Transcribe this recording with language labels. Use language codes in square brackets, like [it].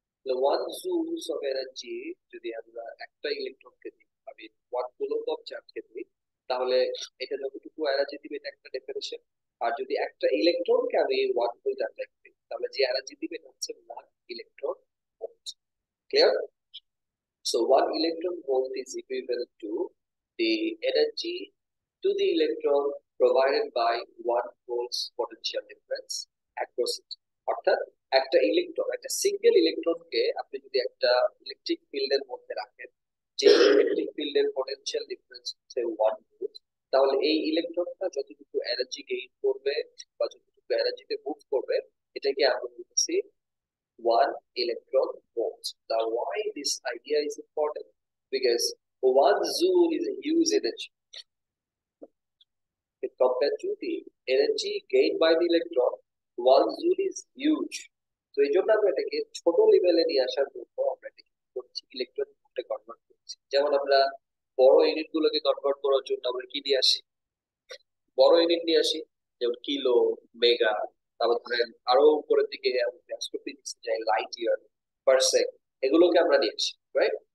[bn] 1 joules of energy যদি আমরা একটা ইলেকট্রনকে দিই, আমি 1 কুলম্ব অফ চার্জকে দিই, তাহলে এটা যতটুকু এনার্জি দিবে এটা একটা ডেফিনেশন। আর যদি একটা ইলেকট্রনকে আমি 1 ভোল্ট অ্যাপ্লাই করি, তাহলে যে এনার্জি দিবে এটা হচ্ছে 1 electron. [en] Clear? So 1 electron volt is equivalent to the energy to the electron provided by 1 volt potential difference across it. [bn] অর্থাৎ একটা ইলেকট্রন, একটা সিঙ্গেল ইলেকট্রনকে আপনি যদি একটা ইলেকট্রিক ফিল্ডের মধ্যে রাখেন, যে ইলেকট্রিক ফিল্ডের পটেনশিয়াল ডিফারেন্স হচ্ছে 1 ভোল্ট, তাহলে এই ইলেকট্রনটা যতটুকু এনার্জি গেইন করবে বা যতটুকু এনার্জিতে মুভ করবে, এটাকে আমরা বলতেছি 1 electron volt. [en] Now, why this idea is important? Because 1 joule is a huge energy compared to the energy gained by the electron. 1 joule is huge. [bn] So, এই জন্য আমরা এটাকে ছোট লেভেলে নিয়ে আসার জন্য আমরা এটাকে করছি ইলেকট্রন ভোল্টে কনভার্ট করছি। যেমন আমরা বড় ইউনিট গুলোকে কনভার্ট করার জন্য আমরা কি নিয়ে আসি, বড় ইউনিট নিয়ে আসি, যেমন কিলো, মেগা, তারপর ধরেন আরো উপরের দিকে অ্যাস্ট্রোফিজিক্স যায়, লাইট ইয়ার, পারসেক, এগুলোকে আমরা নিয়েছি, রাইট?